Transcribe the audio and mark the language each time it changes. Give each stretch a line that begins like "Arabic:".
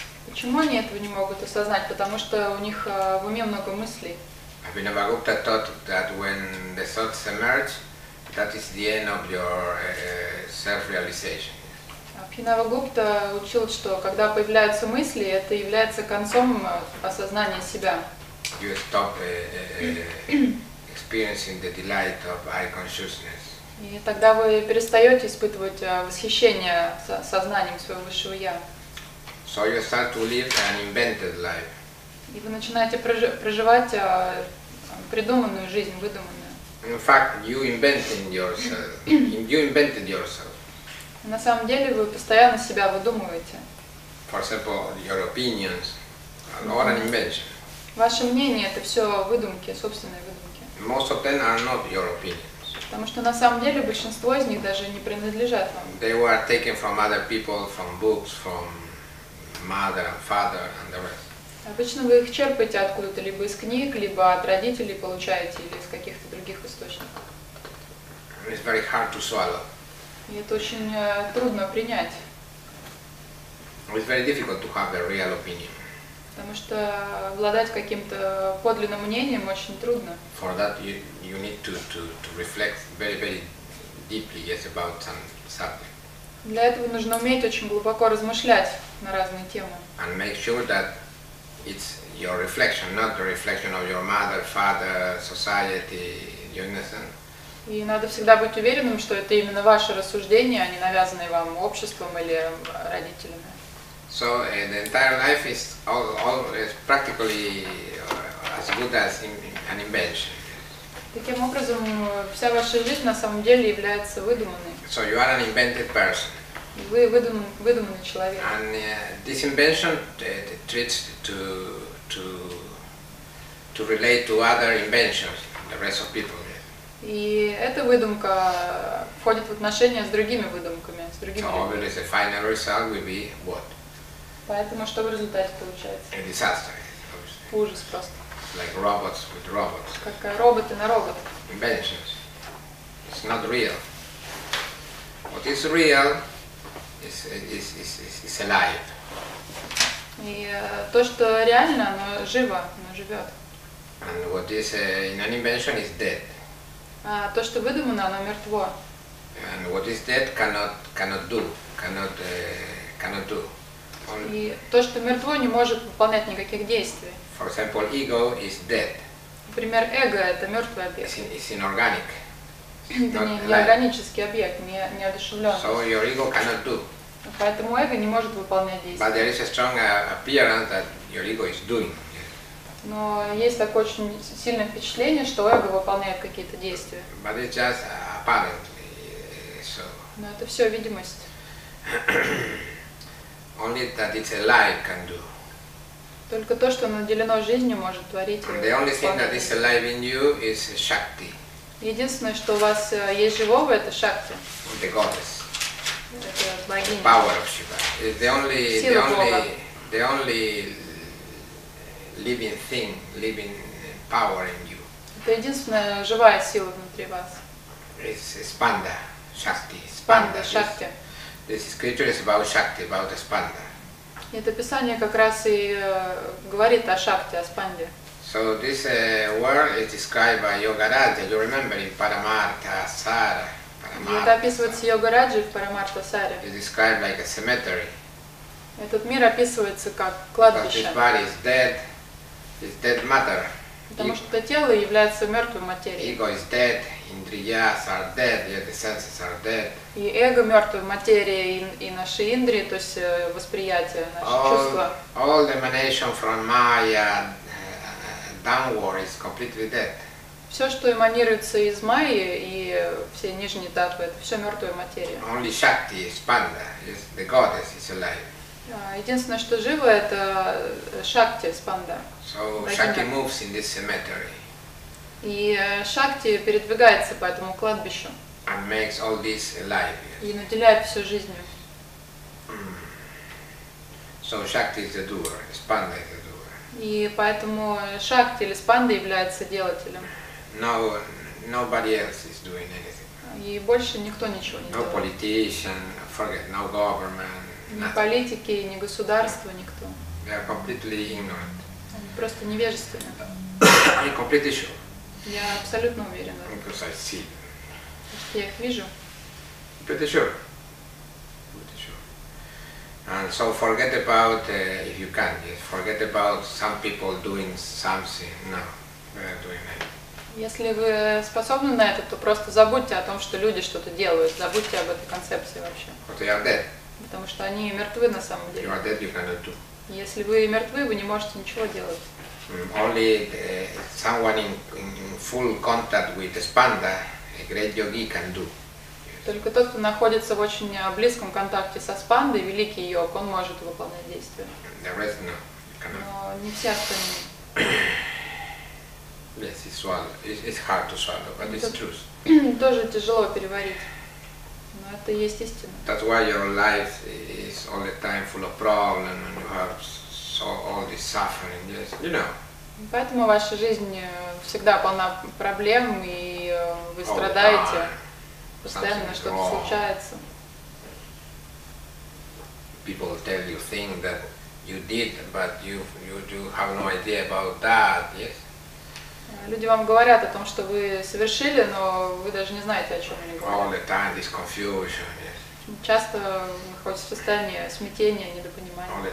Russian: Почему они этого не могут осознать? Потому что у них в уме много мыслей.
English: Абхинавагупта thought that when the thoughts emerge, that is the end of your self-realization.
Russian: Абхинавагупта учил, что когда появляются мысли, это является концом осознания себя.
English: You stop experiencing the delight of I consciousness.
Russian: И тогда вы перестаете испытывать восхищение сознанием своего высшего я.
English: So you start to live an invented life.
Russian: И вы начинаете проживать придуманную жизнь, выдуманную.
English: In fact, you invented yourself.
Russian: На самом деле вы постоянно себя выдумываете.
English: For example, your opinions are an invention.
Russian: Ваше мнение — это все выдумки, собственные выдумки.
English: Most of them are not your opinions.
Russian: Потому что на самом деле большинство из них даже не принадлежат вам.
English: They were taken from other people, from books, from mother and father and the rest.
Russian: Обычно вы их черпаете откуда-то, либо из книг, либо от родителей получаете, или из каких-то других источников.
English: It's very hard to swallow.
Russian: И это очень трудно принять.
English: It's very difficult to have a real opinion.
Russian: Потому что обладать каким-то подлинным мнением очень трудно.
English: For that you need to reflect very deeply, yes, about some subject.
Russian: Для этого нужно уметь очень глубоко размышлять на разные темы.
English: And make sure that it's your reflection, not the reflection of your mother, father, society, you understand?
Russian: И надо всегда быть уверенным, что это именно ваше рассуждение, а не навязанное вам обществом или родителями.
English: So the entire life is all is practically as good as an invention.
Russian: Таким образом, вся ваша жизнь на самом деле является выдуманной.
English: So you are an invented person.
Russian: Вы выдуманный человек.
English: And this invention treats to relate to other inventions, the rest of people.
Russian: И эта выдумка входит в отношения с другими выдумками, с другими.
English: So obviously, the final result will be what?
Russian: Поэтому что в результате получается?
English: A disaster, obviously.
Russian: Ужас просто.
English: Like robots with robots.
Russian: Как роботы на роботах.
English: Inventions. It's not real. What is real is alive.
Russian: И то, что реально, оно живо, оно живет.
English: And what is in an invention is dead.
Russian: А то, что выдумано, оно мертво.
English: And what is dead cannot do.
Russian: И то, что мертво, не может выполнять никаких действий.
English: For example, ego is dead.
Russian: Например, эго – это мертвый объект.
English: It's inorganic.
Russian: Неорганический объект, неодушевленный.
English: So your ego cannot do.
Russian: Поэтому эго не может выполнять действия.
English: But there is a strong appearance that your ego is doing.
Russian: Но есть такое очень сильное впечатление, что эго выполняет какие-то действия.
English: But it's just apparently so.
Russian: Но это все видимость.
English: Only that it's alive can do.
Russian: Только то, что наделено жизнью, может творить.
English: And the only thing that is alive in you is Shakti.
Russian: Единственное, что у вас есть живого, это Шакти.
English: The goddess.
Russian: Это богиня.
English: The power of Shiva. It's the only,
Russian: сила Бога.
English: The only living thing, living power in you.
Russian: Это единственная живая сила внутри вас.
English: It's Spanda, Shakti.
Russian: Spanda, Шакти.
English: This scripture is about Shakti, about the Spanda.
Russian: Это писание как раз и говорит о Шакти, о Спанде.
English: So this world is described by Yoga Raja. You remember in Paramartha Sara.
Russian: Это описывается Йога Раджи в Парамартха Саре.
English: It's described like a cemetery.
Russian: Этот мир описывается как кладбище.
English: But this body is dead. It's dead matter.
Russian: Потому что это тело является мертвой материей.
English: Ego is dead. Индриас are dead, yet the senses are dead.
Russian: И эго мертвой материи и наши индрии, то есть восприятие, наши чувства.
English: All the emanation from Maya downward is completely dead.
Russian: Все, что эманируется из Майи и все нижние татвы, это все мертвая материя.
English: Only Shakti is Spanda, is the goddess is alive.
Russian: Единственное, что живо, это Шакти Спанда.
English: So Shakti moves in this cemetery.
Russian: И Шакти передвигается по этому кладбищу.
English: And makes all this alive.
Russian: И наделяет всю жизнью.
English: So Shakti is the doer, Spanda is the doer.
Russian: И поэтому Шакти или Спанда является делателем.
English: No, nobody else is doing anything.
Russian: И больше никто ничего не
English: no
Russian: делает.
English: No politician, forget, no government.
Russian: Ни политики, ни государства, никто.
English: They are completely ignorant.
Russian: Они просто невежественны.
English: I'm completely sure.
Russian: Я абсолютно уверен.
English: Because I see.
Russian: Потому что я их вижу.
English: Pretty sure. Pretty sure. And so forget about, if you can, forget about some people doing something. No, they are doing anything.
Russian: Если вы способны на это, то просто забудьте о том, что люди что-то делают. Забудьте об этой концепции вообще.
English: But they are dead.
Russian: Потому что они мертвы на самом деле.
English: You are dead, you cannot do.
Russian: Если вы мертвы, вы не можете ничего делать.
English: Only someone in full contact with the Spanda, a great yogi, can do.
Russian: Только тот, кто находится в очень близком контакте со Спандой, великий йог, он может выполнять действия.
English: The rest, no.
Russian: Но не все остальные.
English: Yes, it's swallow. It's hard to swallow, but it's true.
Russian: Тоже тяжело переварить, но это есть истина.
English: That's why your life is all the time full of problems and you have all this suffering, yes, you know.
Russian: Поэтому ваша жизнь всегда полна проблем, и вы страдаете постоянно, что-то случается.
English: People tell you things that you did, but you have no idea about that, yes.
Russian: Люди вам говорят о том, что вы совершили, но вы даже не знаете, о чем они говорят.
English: All the time this confusion, yes.
Russian: Часто находится в состоянии смятения, недопонимания.